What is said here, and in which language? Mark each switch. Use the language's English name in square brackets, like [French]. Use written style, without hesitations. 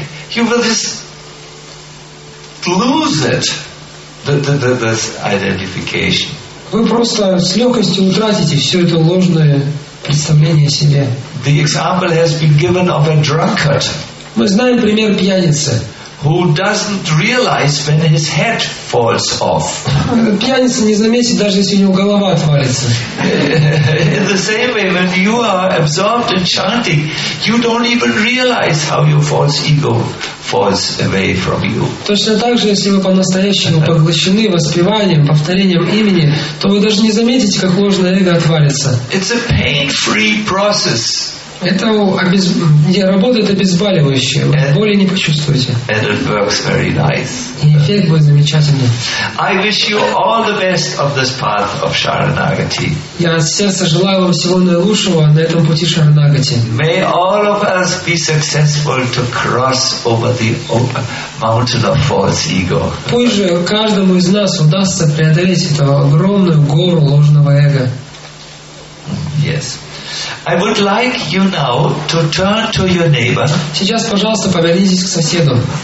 [English] You will just lose it, this identification. [Russian] Вы просто с легкостью утратите все это ложное представление о себе. [English] The example has been given of a drunkard. [Russian] Мы знаем пример пьяницы. [English] Who doesn't realize when his head falls off? [Russian] Пьяница не заметит, даже если у него голова отвалится. [English] In the same way, when you are absorbed in chanting, you don't even realize how your false ego falls away from you. [Russian] Точно так же, если вы по-настоящему поглощены воспеванием, повторением имени, то вы даже не заметите, как ложное эго отвалится. [English] It's a pain-free process. [Russian] Это работает обезболивающе. Боли не почувствуете. [English] And it works very nice. [Russian] И эффект будет замечательный. [English] I wish you all the best of this path of Sharanagati. [Russian] Я от сердца желаю вам всего наилучшего на этом пути Шаранагати. [English] May all of us be successful to cross over the mountain of false ego. [Russian] Пусть же каждому из нас удастся преодолеть эту огромную гору ложного эго. [English] Yes. I would like you now to turn to your neighbor. [Russian] Сейчас, пожалуйста, повернитесь к соседу.